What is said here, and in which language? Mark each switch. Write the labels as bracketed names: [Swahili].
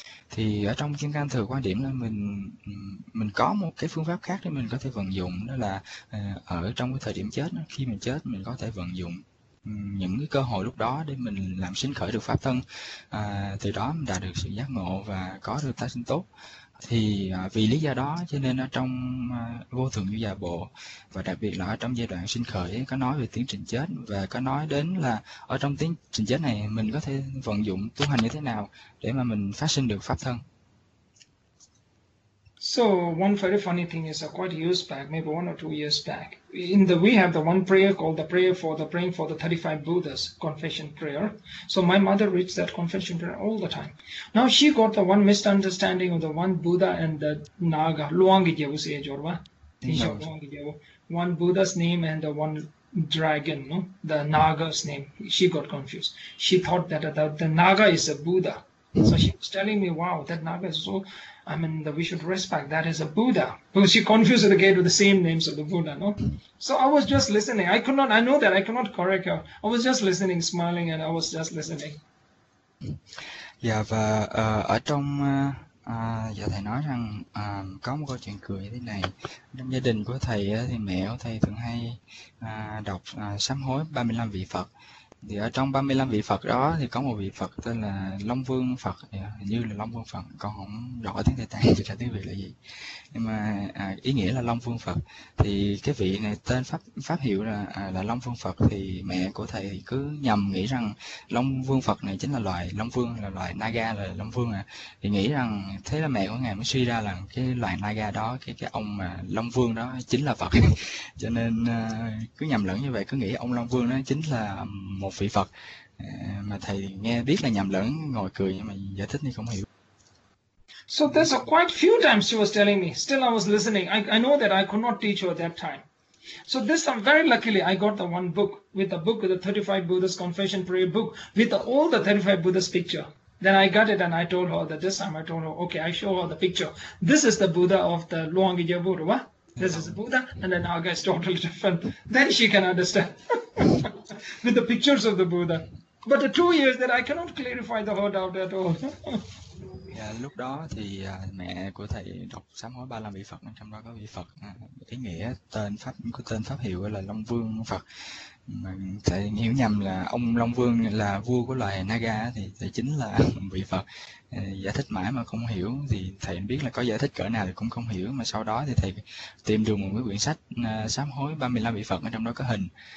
[Vietnamese] Thì ở trong Kim Cang Thừa quan điểm là mình có một cái phương pháp khác để mình có thể vận dụng, đó là ở trong cái thời điểm chết, khi mình chết mình có thể vận dụng những cái cơ hội lúc đó để mình làm sinh khởi được pháp thân, từ đó mình đạt được sự giác ngộ và có được tái sinh tốt. Thì vì lý do đó cho nên ở trong Vô Thượng Vũ Già Bộ và đặc biệt là ở trong giai đoạn sinh khởi có nói về tiến trình chết và có nói đến là ở trong tiến trình chết này mình có thể vận dụng tu hành như thế nào để mà mình phát sinh được pháp thân. [English] So one very funny thing is quite years back, maybe 1 or 2 years back, in the we have the one prayer called the prayer for the praying for the 35 Buddhas confession prayer. So my mother reads that confession prayer all the time. Now she got the one misunderstanding of the one Buddha and the Naga, Luang No. Jiao, one Buddha's name and the one dragon, no, the Naga's name. She got confused. She thought that the Naga is a Buddha. So she was telling me, wow, that Naga is so, I mean, that we should respect that as a Buddha. Because she confused the gate with the same names of the Buddha, no? So I was just listening. I could not, I know that I cannot correct her. I was just listening, smiling, and I was just listening. [Vietnamese] Dạ và ở trong dạ thầy nói rằng có một câu chuyện cười thế này. Trong gia đình của thầy thì mẹ của thầy thường hay đọc sám hối 35 vị Phật. Thì ở trong 35 vị Phật đó thì có một vị Phật tên là Long Vương Phật, hình như là Long Vương Phật, con không rõ tiếng Tây Tạng thì tiếng Việt là gì. Nhưng mà ý nghĩa là Long Vương Phật. Thì cái vị này tên pháp hiệu là Long Vương Phật, thì mẹ của thầy thì cứ nhầm nghĩ rằng Long Vương Phật này chính là loài Long Vương, là loài Naga, là Long Vương à. Thì nghĩ rằng thế là mẹ của ngài mới suy ra là cái loài Naga đó, cái ông mà Long Vương đó chính là Phật. Cho nên cứ nhầm lẫn như vậy, cứ nghĩ ông Long Vương đó chính là một vị Phật. Mà thầy nghe biết là nhầm lẫn, ngồi cười, nhưng mà giải thích thì không hiểu. [English] So there's a quite few times she was telling me. Still, I was listening. I know that I could not teach her at that time. So this time, very luckily, I got the one book with the book with the 35 Buddha's confession prayer book with all the 35 Buddha's picture. Then I got it and I told her that this time I told her, okay, I show her the picture. This is the Buddha of the Luang Jiao Buddha. This is the Buddha, and then Naga is totally different. Then she can understand with the pictures of the Buddha. But the 2 years that I cannot clarify the whole doubt at all. [Vietnamese] Lúc đó thì mẹ của thầy đọc sám hối 35 vị Phật, trong đó có vị Phật ý nghĩa tên pháp của tên pháp hiệu là Long Vương Phật, mà thầy hiểu nhầm là ông Long Vương là vua của loài Naga, thì thầy chính là vị Phật. Giải thích mãi mà không hiểu, thì thầy biết là có giải thích cỡ nào thì cũng không hiểu. Mà sau đó thì thầy tìm được một cái quyển sách sám hối 35 vị Phật, ở trong đó có hình.